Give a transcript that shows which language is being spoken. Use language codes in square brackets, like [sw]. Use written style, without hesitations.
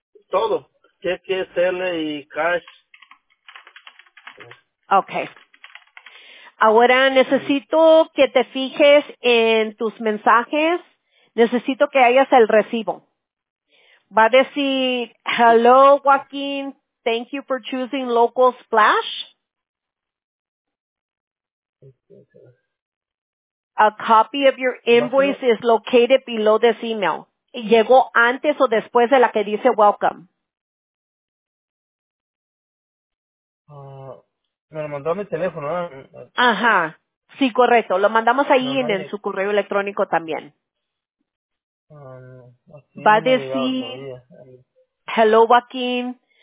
[es] Todo. Cheque, Zelle y cash. [en] Okay. [es] Ahora necesito que te fijes en tus mensajes. Necesito que hayas el recibo. Va a decir, [en] hello, [es] Joaquín. [en] Thank you for choosing Local Splash. A copy of your invoice is located below this email. [es] ¿Llegó antes o después de la que dice welcome? Me lo mandó a mi teléfono. Ajá. Sí, correcto. Lo mandamos ahí en su correo electrónico también. Va a decir, [en] hello, [es] Joaquín.